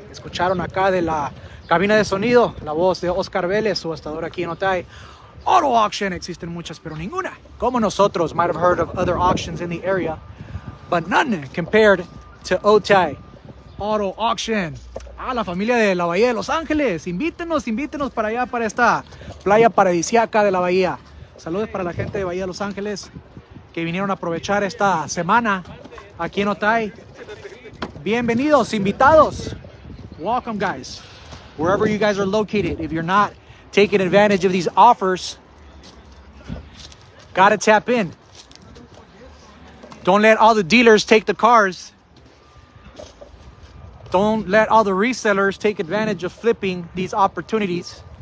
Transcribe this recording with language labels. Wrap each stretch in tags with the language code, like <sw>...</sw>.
<es>Escucharon acá de la cabina de sonido, la voz de Oscar Vélez, subastador aquí en Otay Auto Auction. Existen muchas, pero ninguna. Como nosotros,</es> <en>might have heard of other auctions in the area, but none compared to Otay Auto Auction.</en> <es>Ah, la familia de la Bahía de Los Ángeles, invítenos para allá, para esta playa paradisíaca de la Bahía. Saludos para la gente de Bahía de Los Ángeles que vinieron a aprovechar esta semana aquí en Otay. Bienvenidos, invitados.</es> <en>Welcome, guys. Wherever you guys are located, if you're not taking advantage of these offers, gotta tap in. Don't let all the dealers take the cars. Don't let all the resellers take advantage of flipping these opportunities.</en>